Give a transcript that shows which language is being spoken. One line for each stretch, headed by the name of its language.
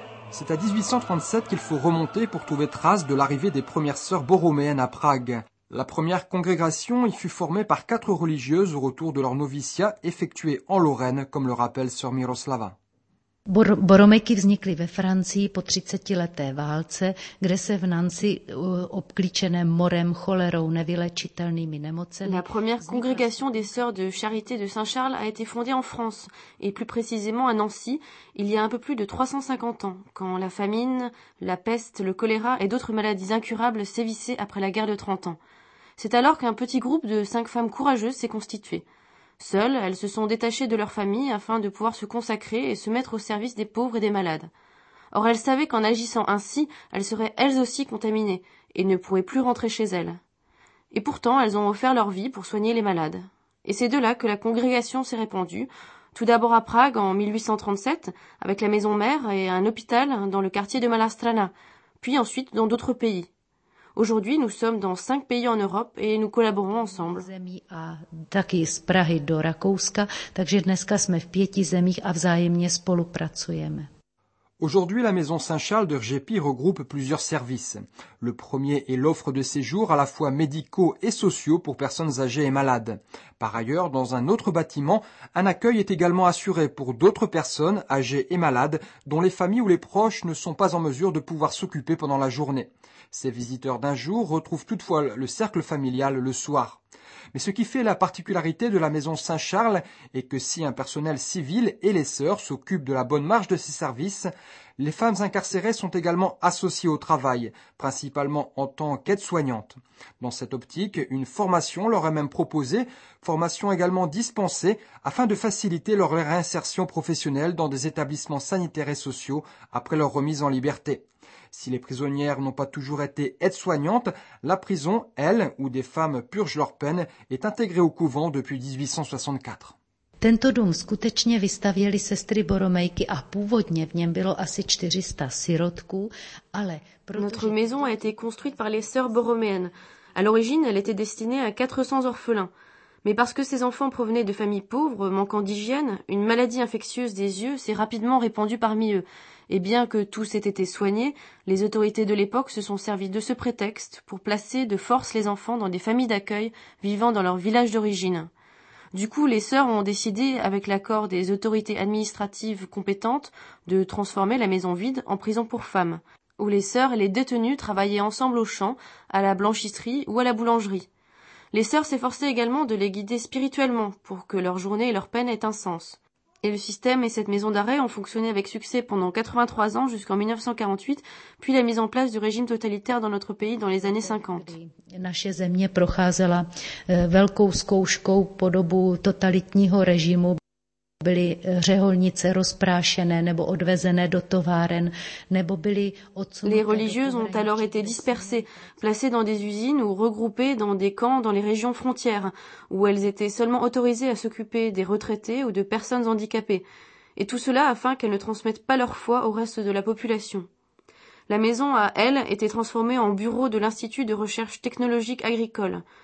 French: C'est à 1837 qu'il faut remonter pour trouver trace de l'arrivée des premières sœurs borroméennes à Prague. La première congrégation y fut formée par quatre religieuses au retour de leur noviciat effectué en Lorraine, comme le rappelle sœur Miroslava.
Czech: Boroméky vznikly ve Francii po 30-leté válce, kde se v Nancy obklíčené morem, cholerou, nevylečitelnými nemocemi.
French: La première congrégation des sœurs de charité de Saint-Charles a été fondée en France, et plus précisément à Nancy, il y a un peu plus de 350 ans, quand la famine, la peste, le choléra et d'autres maladies incurables sévissaient après la guerre de 30 ans. C'est alors qu'un petit groupe de 5 femmes courageuses s'est constitué. Seules, elles se sont détachées de leur famille afin de pouvoir se consacrer et se mettre au service des pauvres et des malades. Or, elles savaient qu'en agissant ainsi, elles seraient elles aussi contaminées et ne pourraient plus rentrer chez elles. Et pourtant, elles ont offert leur vie pour soigner les malades. Et c'est de là que la congrégation s'est répandue, tout d'abord à Prague en 1837, avec la maison mère et un hôpital dans le quartier de Malastrana, puis ensuite dans d'autres pays. Aujourd'hui, nous sommes dans 5 pays en Europe et nous collaborons ensemble.
Czech: A taky z Prahy do Rakouska, takže dneska jsme v 5 zemích a vzájemně spolupracujeme.
French: Aujourd'hui, la maison Saint-Charles de Rjepy regroupe plusieurs services. Le premier est l'offre de séjours à la fois médicaux et sociaux pour personnes âgées et malades. Par ailleurs, dans un autre bâtiment, un accueil est également assuré pour d'autres personnes âgées et malades dont les familles ou les proches ne sont pas en mesure de pouvoir s'occuper pendant la journée. Ces visiteurs d'un jour retrouvent toutefois le cercle familial le soir. Mais ce qui fait la particularité de la maison Saint-Charles est que si un personnel civil et les sœurs s'occupent de la bonne marche de ces services, les femmes incarcérées sont également associées au travail, principalement en tant qu'aides-soignantes. Dans cette optique, une formation leur est même proposée, formation également dispensée, afin de faciliter leur réinsertion professionnelle dans des établissements sanitaires et sociaux après leur remise en liberté. Si les prisonnières n'ont pas toujours été aides-soignantes, la prison, elle, où des femmes purgent leur peine, est intégrée au couvent depuis 1864.
Czech: Tento dům skutečně vystavěly sestry Boromejky a původně v něm bylo asi 400 sirotků, ale...
French: Notre maison a été construite par les sœurs borroméennes. À l'origine, elle était destinée à 400 orphelins. Mais parce que ces enfants provenaient de familles pauvres, manquant d'hygiène, une maladie infectieuse des yeux s'est rapidement répandue parmi eux. Et bien que tous aient été soignés, les autorités de l'époque se sont servies de ce prétexte pour placer de force les enfants dans des familles d'accueil vivant dans leur village d'origine. Du coup, les sœurs ont décidé, avec l'accord des autorités administratives compétentes, de transformer la maison vide en prison pour femmes, où les sœurs et les détenues travaillaient ensemble au champ, à la blanchisserie ou à la boulangerie. Les sœurs s'efforçaient également de les guider spirituellement pour que leur journée et leur peine aient un sens. Et le système et cette maison d'arrêt ont fonctionné avec succès pendant 83 ans jusqu'en 1948, puis la mise en place du régime totalitaire dans notre pays dans les années 50.
Czech: Naše země procházela velkou zkouškou po dobu totalitního režimu. Byly řeholnice rozprášené nebo odvezené do továren, nebo byly odsunuté.
French: Les religieuses ont alors été dispersées, placées dans des usines ou regroupées dans des camps dans les régions frontières, où elles étaient seulement autorisées à s'occuper des retraités ou de personnes handicapées. Et tout cela afin qu'elles ne transmettent pas leur foi au reste de la population. La maison a, elle, été transformée en bureau de l'Institut de recherche technologique agricole.